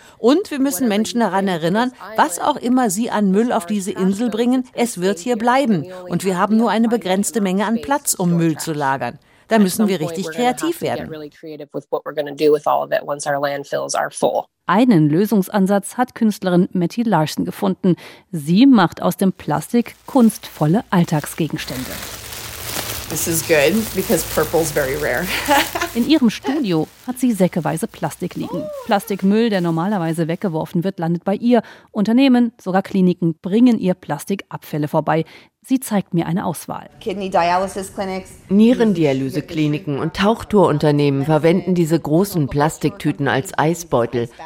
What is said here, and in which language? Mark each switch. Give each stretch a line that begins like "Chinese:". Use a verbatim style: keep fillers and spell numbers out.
German: Und wir müssen Menschen daran erinnern, was auch immer sie an Müll auf diese Insel bringen, es wird hier bleiben und wir haben nur eine begrenzte Menge an Platz, um Müll zu lagern. Da müssen wir richtig kreativ werden. Einen Lösungsansatz hat Künstlerin Mattie Larson gefunden. Sie macht aus dem Plastik kunstvolle Alltagsgegenstände.
English: This is good because purple's very rare.
German: In ihrem Studio hat sie säckeweise Plastik liegen. Plastikmüll, der normalerweise weggeworfen wird, landet bei ihr. Unternehmen, sogar Kliniken bringen ihr Plastikabfälle vorbei. Sie zeigt mir eine Auswahl. Nierendialysekliniken und Tauchtourunternehmen verwenden diese großen Plastiktüten als Eisbeutel.